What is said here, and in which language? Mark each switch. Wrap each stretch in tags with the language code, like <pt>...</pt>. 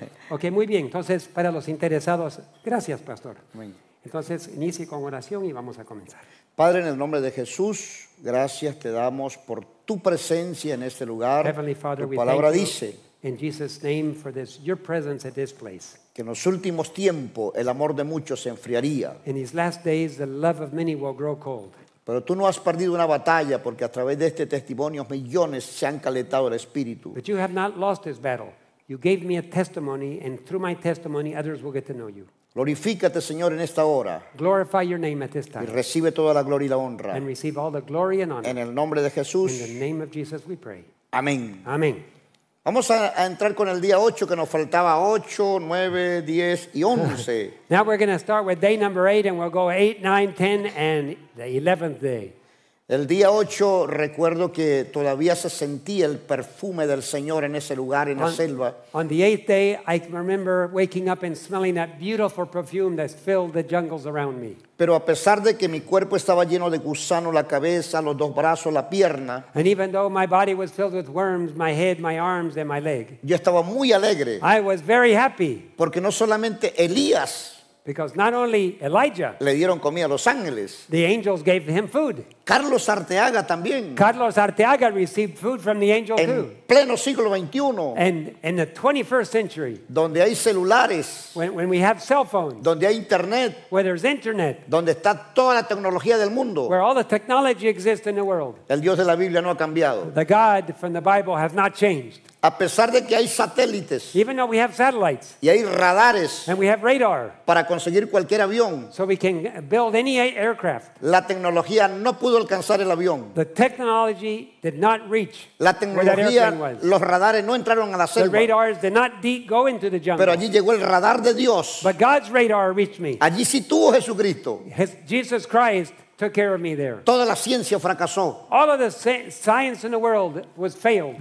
<es>Ok, muy bien. Entonces, para los interesados, gracias, pastor. Entonces, inicie con oración y vamos a comenzar. Padre, en el nombre de Jesús, gracias te damos por tu presencia en este lugar.</es> <en>Heavenly Father,</en> <es>tu palabra dice</es> <en>in Jesus' name for this, your presence at this place.</en> <es>Que en los últimos tiempos el amor de muchos se enfriaría.</es> <en>In these last days, the love of many will grow cold.</en> <es>Pero tú no has perdido una batalla porque a través de este testimonio millones se han calentado el espíritu.</es> <en>But you have not lost this battle. You gave me a testimony and through my testimony others will get to know you.</en> <es>Glorifícate, Señor, en esta hora.</es> <en>Glorify your name at this time.</en> <es>Y recibe toda la gloria y la honra.</es> <en>And receive all the glory and honor.</en> <es>En el nombre de Jesús.</es> <en>In the name of Jesus we pray.</en> <es>Amén. Amén. Vamos a entrar con el día 8 que nos faltaba 8, 9, 10 y 11.</es> <en>Now we're going to start with day number 8 and we'll go 8, 9, 10 and the 11th day.</en> <es>El día 8 recuerdo que todavía se sentía el perfume del Señor en ese lugar en la selva.</es> <en>On the 8th day I remember waking up and smelling that beautiful perfume that filled the jungles around me.</en> <es>Pero a pesar de que mi cuerpo estaba lleno de gusano, la cabeza, los dos brazos, la pierna,</es> <en>and even though my body was filled with worms, my head, my arms and my leg,</en> <es>yo estaba muy alegre.</es> <en>I was very happy.</en> <es>Porque no solamente Elías,</es> <en>because not only Elijah,</en> <es>le dieron comida a los ángeles,</es> <en>the angels gave him food.</en> <es>Carlos Arteaga también.</es> <en>Carlos Arteaga received food from the angel en too.</en> <es>En pleno siglo 21.</es> <en>And in the 21st century.</en> <es>Donde hay celulares.</es> <en>When we have cell phones.</en> <es>Donde hay internet.</es> <en>Where there's internet.</en> <es>Donde está toda la tecnología del mundo.</es> <en>Where all the technology exists in the world.</en> <es>El Dios de la Biblia no ha cambiado.</es> <en>The God from the Bible has not changed.</en> <es>A pesar de que hay satélites.</es> <en>Even though we have satellites.</en> <es>Y hay radares.</es> <en>And we have radar.</en> <es>Para conseguir cualquier avión.</es> <en>So we can build any aircraft.</en> <es>La tecnología no pudo alcanzar el avión.</es> <en>The technology did not reach.</en> <es>La tecnología, los radares no entraron a la selva.</es> <en>The radars did not go into the jungle.</en> <es>Pero allí llegó el radar de Dios.</es> <en>But God's radar reached me.</en> <es>Allí sí tuvo Jesucristo.</es> <en>Jesus Christ took care of me there.</en> <es>Toda la ciencia fracasó.</es> <en>All of the science in the world was failed.</en>